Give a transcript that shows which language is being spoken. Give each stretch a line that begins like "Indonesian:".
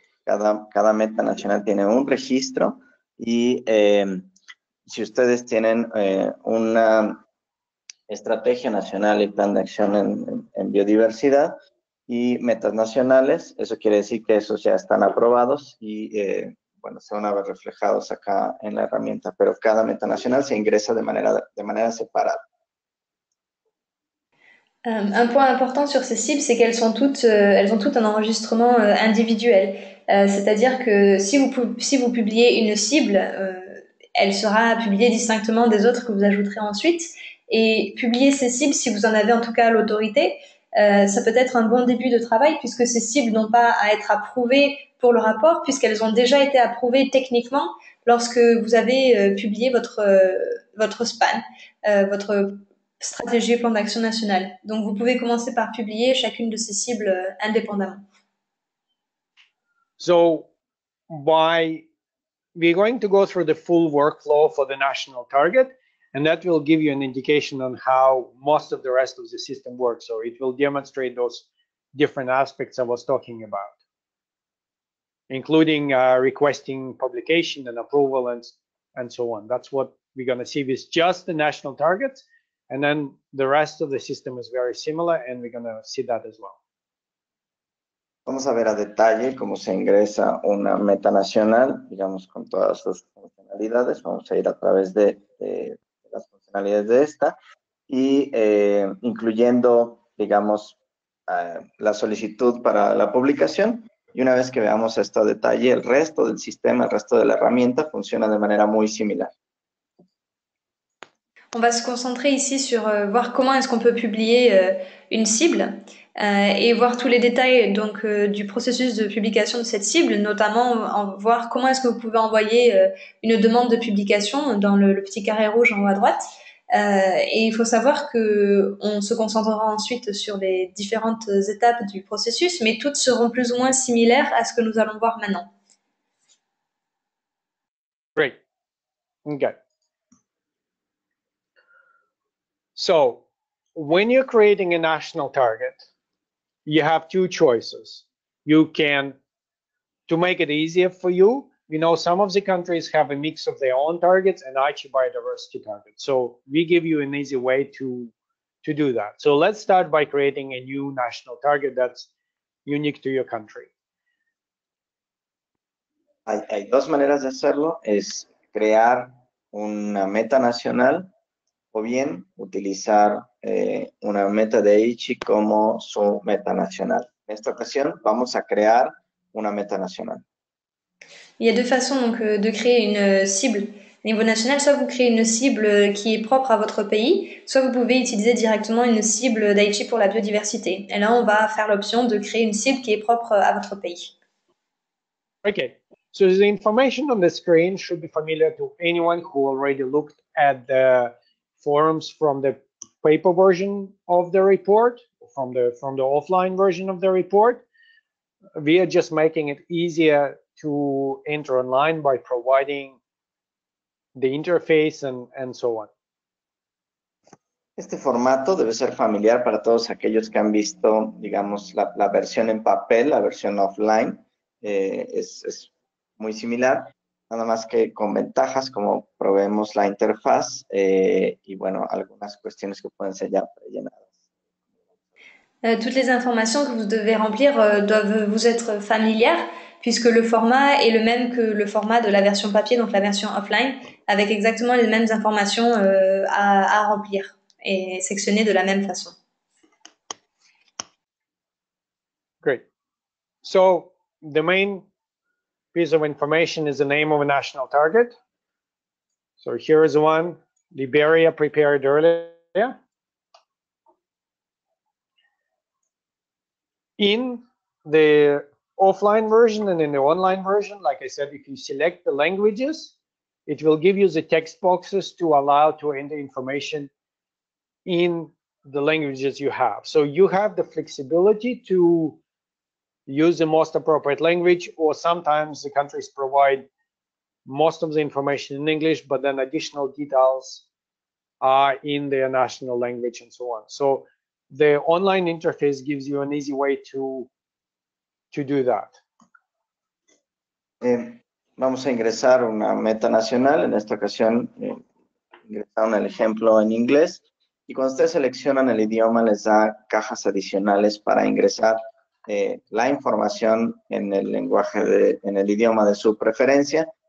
Spanish: Cada meta nacional tiene un registro y si ustedes tienen una estrategia nacional y plan de acción en biodiversidad, y metas nacionales, eso quiere decir que esos ya están aprobados y, bueno, se van a ver reflejados acá en la herramienta, pero cada meta nacional se ingresa de manera separada.
French: Un point important sur ces cibles, c'est qu'elles sont toutes, elles ont toutes un enregistrement individuel, c'est-à-dire que si vous publiez une cible, elle sera publiée distinctement des autres que vous ajouterez ensuite, et publier ces cibles, si vous en avez en tout cas l'autorité, ça peut être un bon début de travail puisque ces cibles n'ont pas à être approuvées pour le rapport puisqu'elles ont déjà été approuvées techniquement lorsque vous avez publié votre SPAN, votre stratégie et plan d'action national. Donc vous pouvez commencer par publier chacune de ces cibles indépendamment.
English: So, by we're going to go through the full workflow for the national target, and that will give you an indication on how most of the rest of the system works. So it will demonstrate those different aspects I was talking about, including requesting publication and approval and so on. That's what we're going to see with just the national targets. And then the rest of the system is very similar, and we're going to see that as well.
Spanish: Vamos a ver a detalle cómo se ingresa una meta nacional, digamos, con todas sus funcionalidades. Vamos a ir a través de las funcionalidades de esta y incluyendo, digamos, la solicitud para la publicación. Y una vez que veamos esto a detalle, el resto del sistema, el resto de la herramienta funciona de manera muy similar.
French: On va se concentrer ici sur voir comment est-ce qu'on peut publier une cible et voir tous les détails donc du processus de publication de cette cible, notamment voir comment est-ce que vous pouvez envoyer une demande de publication dans le petit carré rouge en haut à droite. Et il faut savoir qu'on se concentrera ensuite sur les différentes étapes du processus, mais toutes seront plus ou moins similaires à ce que nous allons voir maintenant.
English: Great. Okay. So, when you're creating a national target, you have two choices. You can, to make it easier for you, you know, some of the countries have a mix of their own targets and actually biodiversity targets. So, we give you an easy way to do that. So, let's start by creating a new national target that's unique to your country.
Spanish: Hay dos maneras de hacerlo, es crear una meta nacional o bien utilizar una meta de Aichi como su meta nacional. En esta ocasión vamos a crear una meta nacional.
French: Il y a deux façons donc de créer une cible au niveau national. Soit vous créez une cible qui est propre à votre pays, soit vous pouvez utiliser directement une cible d'Aichi pour la biodiversité. Et là, on va faire l'option de créer une cible qui est propre à votre pays.
English: OK. So the information on the screen should be familiar to anyone who already looked at the forms from the paper version of the report, from the offline version of the report. We are just making it easier to enter online by providing the interface and so on.
Spanish: Este formato debe ser familiar para todos aquellos que han visto, digamos, la versión en papel, la versión offline. Es muy similar. Nada más que con ventajas, como proveemos la interfaz y, bueno, algunas cuestiones que pueden ser ya prellenadas.
French: Toutes les informations que vous devez remplir doivent vous être familières, puisque le format est le même que le format de la version papier, donc la version offline, avec exactement les mêmes informations à remplir et sectionner de la même façon.
English: Great. So, the main piece of information is the name of a national target. So here is one, Liberia prepared earlier. In the offline version and in the online version, like I said, if you select the languages, it will give you the text boxes to allow to enter information in the languages you have. So you have the flexibility to use the most appropriate language, or sometimes the countries provide most of the information in English, but then additional details are in their national language and so on. So the online interface gives you an easy way to do that.
Spanish: Vamos a ingresar una meta nacional. En esta ocasión, ingresaron el ejemplo en inglés. Y cuando ustedes seleccionan el idioma, les da cajas adicionales para ingresar la información en el lenguaje, en el idioma de su preferencia.